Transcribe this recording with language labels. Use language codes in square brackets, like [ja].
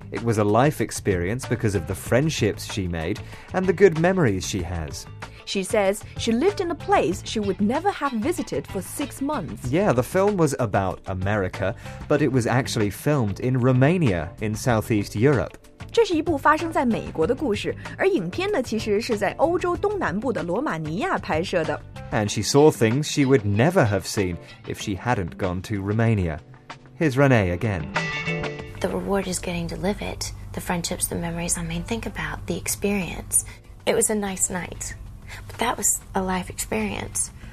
[en] It was a life experience because of the friendships she made and the good memories she has. She says she lived in a place she would never have visited for 6 months. Yeah, the film was about America, but it was actually filmed in Romania, in Southeast Europe. [zh] 这是一部发生在美国的故事，而影片呢，其实是在欧洲东南部的罗马尼亚拍摄的。 [en] And she saw things she would never have seen if she hadn't gone to Romania. Here's Renee again. The reward is getting to live it. The friendships, the memories, I mean, think about the experience. It was a nice night, but that was a life experience.